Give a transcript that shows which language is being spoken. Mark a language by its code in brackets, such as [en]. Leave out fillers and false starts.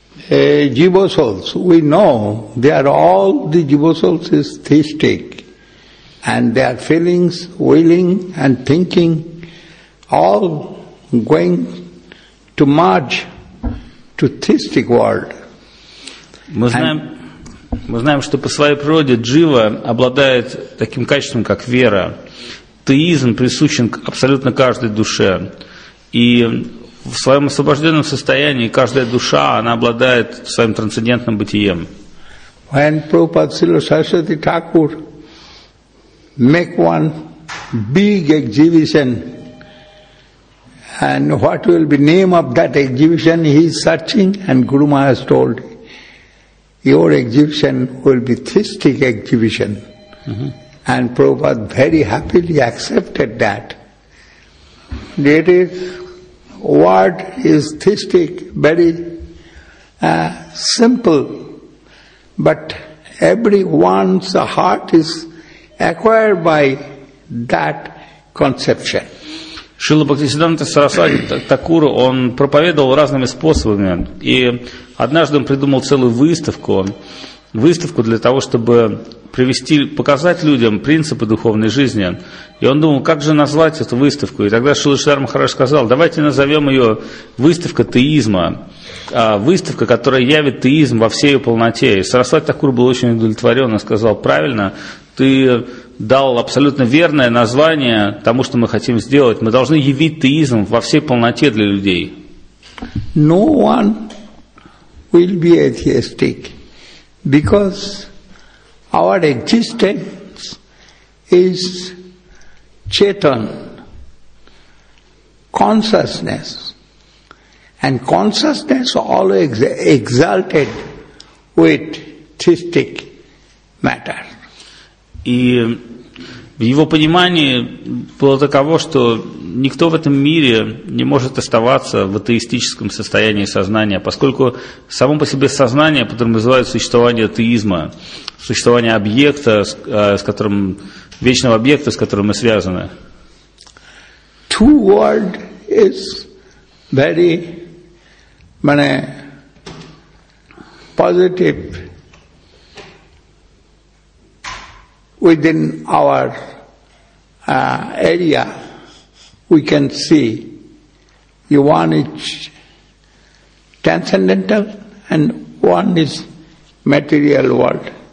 [en] Jiva souls, we know they are all the jiva souls is theistic, and their feelings, willing and thinking all going to merge to theistic world. [ru] Мы знаем, что по своей природе джива обладает таким качеством, как вера. Теизм присущен абсолютно каждой душе. И в своем освобожденном состоянии каждая душа, она обладает своим трансцендентным бытием. [en] When Prabhupada Srila Saraswati Thakur make one big exhibition, and what will be name of that exhibition, he is searching, and Guru Maharaj told, your exhibition will be theistic exhibition. Mm-hmm. And Prabhupada very happily accepted that. It is word is theistic, very simple, but everyone's heart is acquired by that conception. [ru] Шрила Бхактисиддханта Сарасвати Такур, он проповедовал разными способами, и однажды он придумал целую выставку для того, чтобы показать людям принципы духовной жизни. И он думал, как же назвать эту выставку. И тогда Шрила Шридхар Махарадж сказал, давайте назовем ее выставка теизма. Выставка, которая явит теизм во всей ее полноте. И Сарасвати Такур был очень удовлетворен. Он сказал, правильно, ты дал абсолютно верное название тому, что мы хотим сделать. Мы должны явить теизм во всей полноте для людей. [en] No one will be atheistic. Because our existence is Chetan, consciousness. And consciousness always exalted with theistic matter. [ru] И в его понимании было таково, что никто в этом мире не может оставаться в атеистическом состоянии сознания, поскольку само по себе сознание подразумевает существование атеизма, существование объекта, с которым, вечного объекта, с которым мы связаны. [en] Two world is very positive within our area, we can see one is transcendental and one is material world.